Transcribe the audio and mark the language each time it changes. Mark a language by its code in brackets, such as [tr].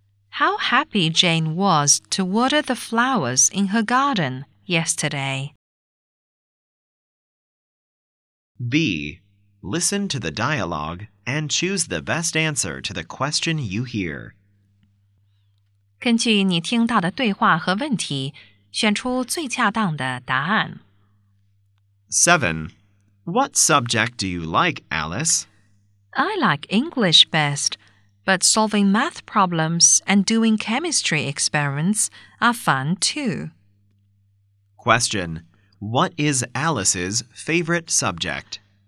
[en] How happy Jane was to water the flowers in her garden yesterday. B. Listen to the dialogue and choose the best answer to the question you hear. [zh] 根据你听到的对话和问题，选出最恰当的答案。 [en] 7. What subject do you like, Alice? I like English best, but solving math problems and doing chemistry experiments are fun too. Question. What is Alice's favorite subject?